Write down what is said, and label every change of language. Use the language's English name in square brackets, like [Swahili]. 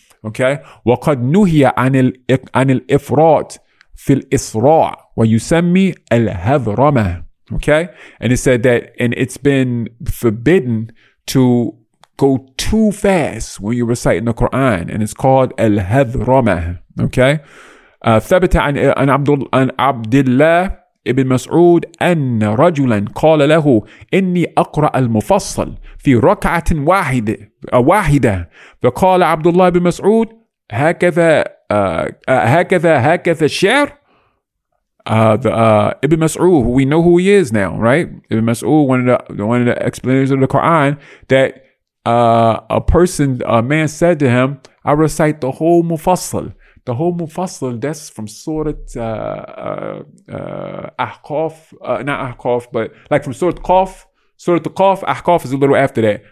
[English] Okay, [Arabic] وَقَدْ نُهِيَ عَنِ الْإِفْرَاطِ فِي الْإِسْرَاعِ وَيُسَمِّي الْهَذْرَمَةِ. [English] Okay, and it said that, and it's been forbidden to go too fast when you're reciting the Quran, and it's called الْهَذْرَمَةِ. Okay, [Arabic] ثَبَتَ عَنْ عَبْدِ اللَّهِ ابْنِ مَسْعُودٍ أَنَّ رَجُلًا قَالَ لَهُ إِنِّي أَقْرَأُ الْمُفَصَّلَ في ركعة واحدة واحدة فقال عبد الله بن مسعود هكذا الشعر. [English] Ibn Mas'ud, we know who he is now, right? Ibn Mas'ud, one of the explainers of the Quran, that a man said to him, I recite the whole Mufassal. The whole Mufassal, that's from Surah Qaf, Ahqaf is a little after that.